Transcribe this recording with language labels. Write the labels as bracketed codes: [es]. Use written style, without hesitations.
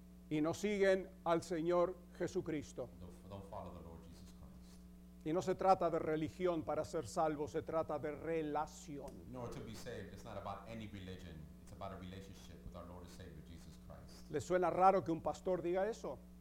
[es] y no siguen al Señor Jesucristo. [en] Don't follow the Lord Jesus Christ. [es] Y no se trata de religión para ser salvo, se trata de relación. [en] Nor to be saved, it's not about any religion, it's about a relationship with our Lord and Savior Jesus Christ. [es] ¿Le suena raro que un pastor diga eso?